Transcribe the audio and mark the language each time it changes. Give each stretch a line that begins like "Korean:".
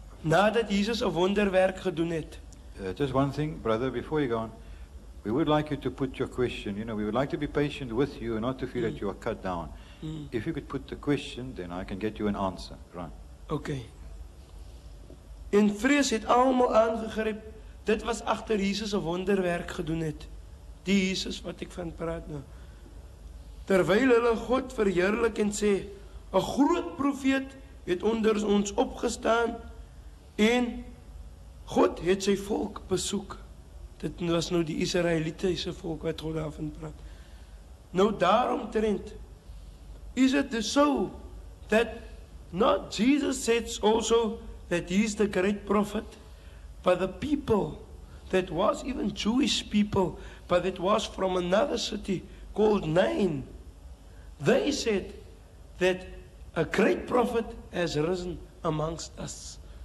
Afrikaans: Nadat Jesus 'n wonderwerk gedoen het.
English: Just one thing, brother, before you go on. We would like you to put your question, you know, we would like to be patient with you and not to feel that you are cut down. If you could put the question, then I can get you an answer, right? Okay.
Afrikaans: In vrees het almal aangegryp, dit was agter Jesus 'n wonderwerk gedoen het. Die Jesus wat ek van praat nou. Terwyl hulle God verheerlik en sê, 'n groot profeet het onder ons opgestaan en God het sy volk besoek. Dit was nou die Israelitiese volk wat God daarvan praat. Nou daaromtrent,
English: is it so that not Jesus says also that he is the great prophet, but the people that was even Jewish people, but it was from another city called Nain, they said that a great prophet has risen amongst us.